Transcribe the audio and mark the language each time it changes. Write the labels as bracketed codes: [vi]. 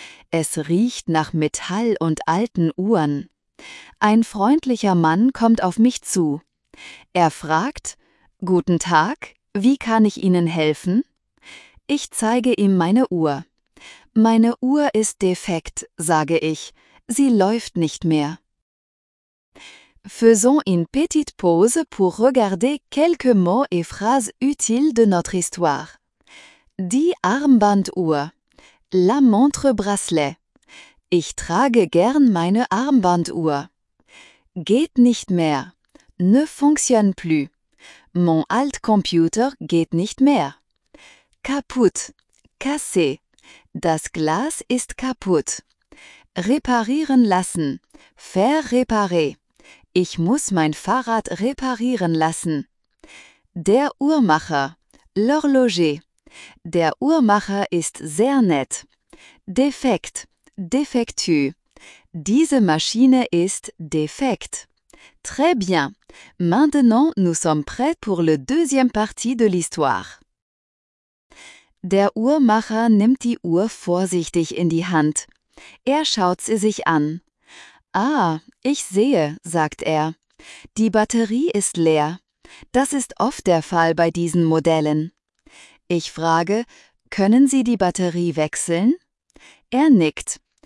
[de] Es riecht nach Metall und alten Uhren. Ein freundlicher Mann kommt auf mich zu. Er fragt: "Guten Tag, wie kann ich Ihnen helfen?" Ich zeige ihm meine Uhr. "Meine Uhr ist defekt", sage ich. "Sie läuft nicht mehr." Faisons une petite pause pour regarder quelques mots et phrases utiles de notre histoire. Die Armbanduhr. [fr] La montre bracelet. [de] Ich trage gern meine Armbanduhr. Geht nicht mehr. [fr] Ne fonctionne plus. [de] Mon alt computer geht nicht mehr. Kaputt. [fr] Cassé. [de] Das Glas ist kaputt. Reparieren lassen. [fr] Faire réparer. [de] Ich muss mein Fahrrad reparieren lassen. Der Uhrmacher. [fr] L'horloger. [de] Der Uhrmacher ist sehr nett. Defekt. [fr] Defectueux. [de] Diese Maschine ist defekt. [fr] Très bien. Maintenant, nous sommes prêts pour le deuxième partie de l'histoire. [de] Der Uhrmacher nimmt die Uhr vorsichtig in die Hand. Er schaut sie sich an. "Ah, ich sehe", sagt er. "Die Batterie ist leer. Das ist oft der Fall bei diesen Modellen." Ich frage: "Können Sie die Batterie wechseln?" Er nickt.